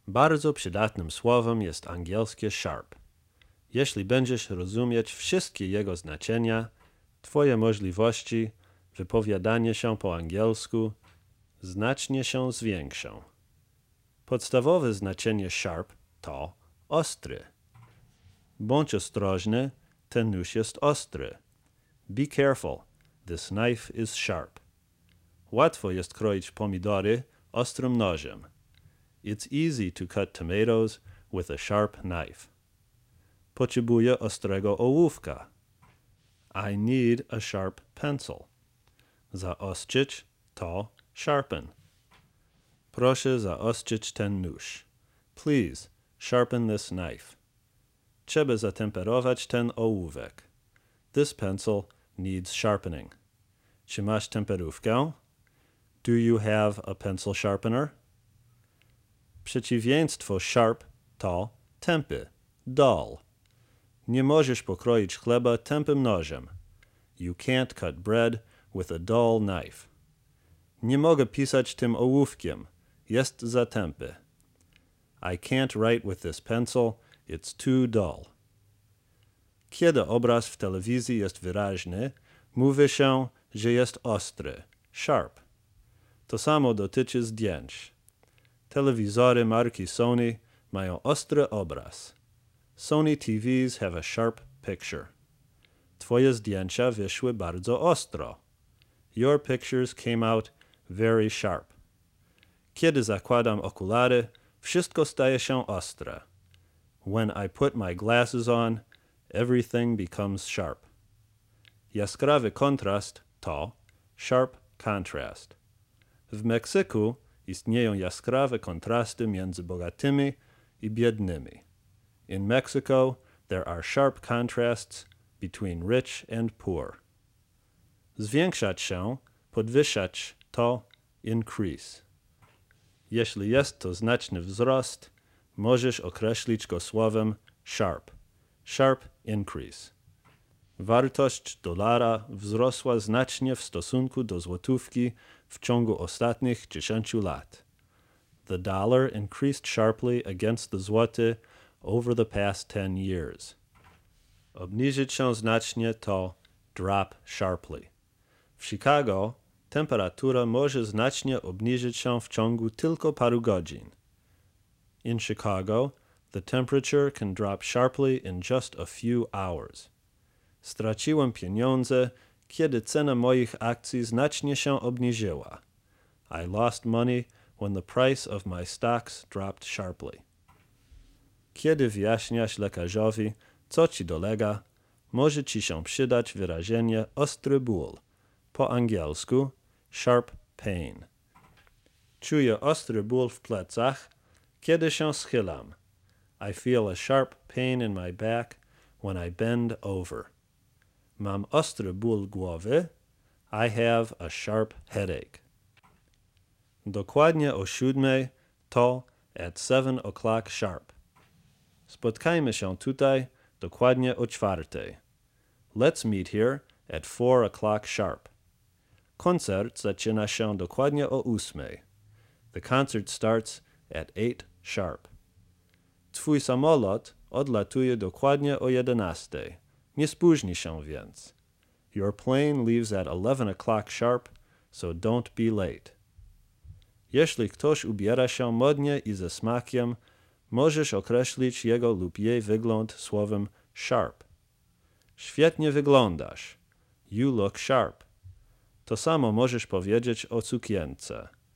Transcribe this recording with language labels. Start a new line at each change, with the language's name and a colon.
Polish: Bardzo przydatnym słowem jest angielskie sharp. Jeśli będziesz rozumieć wszystkie jego znaczenia, twoje możliwości wypowiadania się po angielsku znacznie się zwiększą. Podstawowe znaczenie sharp to ostry. Bądź ostrożny, ten nóż jest ostry.
English: Be careful, this knife is sharp.
Polish: Łatwo jest kroić pomidory ostrym nożem.
English: It's easy to cut tomatoes with a sharp knife.
Polish: Potrzebuję ostrego ołówka.
English: I need a sharp pencil.
Polish: Zaostrzyć to sharpen. Proszę zaostrzyć ten nóż.
English: Please, sharpen this knife.
Polish: Trzeba zatemperować ten ołówek.
English: This pencil needs sharpening.
Polish: Czy masz temperówkę?
English: Do you have a pencil sharpener?
Polish: Przeciwieństwo sharp to tępy, dull. Nie możesz pokroić chleba tępym nożem.
English: You can't cut bread with a dull knife.
Polish: Nie mogę pisać tym ołówkiem. Jest za tępy.
English: I can't write with this pencil. It's too dull.
Polish: Kiedy obraz w telewizji jest wyraźny, mówi się, że jest ostry, sharp. To samo dotyczy zdjęć. Telewizory marki Sony mają ostry obraz.
English: Sony TVs have a sharp picture.
Polish: Twoje zdjęcia wyszły bardzo ostro.
English: Your pictures came out very sharp.
Polish: Kiedy zakładam okulary, wszystko staje się ostre.
English: When I put my glasses on, everything becomes sharp.
Polish: Jaskrawy kontrast to sharp contrast. W Meksyku istnieją jaskrawe kontrasty między bogatymi i biednymi.
English: In Mexico, there are sharp contrasts between rich and poor.
Polish: Zwiększać się, podwyższać to increase. Jeśli jest to znaczny wzrost, możesz określić go słowem sharp, sharp increase. Wartość dolara wzrosła znacznie w stosunku do złotówki w ciągu ostatnich 10 lat.
English: The dollar increased sharply against the złoty over the past 10 years.
Polish: Obniżyć się znacznie to drop sharply. W Chicago temperatura może znacznie obniżyć się w ciągu tylko paru godzin.
English: In Chicago, the temperature can drop sharply in just a few hours.
Polish: Straciłem pieniądze, kiedy cena moich akcji znacznie się obniżyła.
English: I lost money when the price of my stocks dropped sharply.
Polish: Kiedy wyjaśniasz lekarzowi, co ci dolega, może ci się przydać wyrażenie ostry ból, po angielsku sharp pain. Czuję ostry ból w plecach, kiedy się schylam.
English: I feel a sharp pain in my back when I bend over.
Polish: Mam ostry ból głowy.
English: I have a sharp headache.
Polish: Dokładnie o 7 to
English: at 7 o'clock sharp.
Polish: Spotkajmy się tutaj dokładnie o 4.
English: Let's meet here at 4 o'clock sharp.
Polish: Koncert zaczyna się dokładnie o 8.
English: The concert starts at 8 sharp.
Polish: Twój samolot odlatuje dokładnie o 11. Nie spóźnij się więc.
English: Your plane leaves at 11 o'clock sharp, so don't be late.
Polish: Jeśli ktoś ubiera się modnie i ze smakiem, możesz określić jego lub jej wygląd słowem sharp. Świetnie wyglądasz.
English: You look sharp.
Polish: To samo możesz powiedzieć o sukience.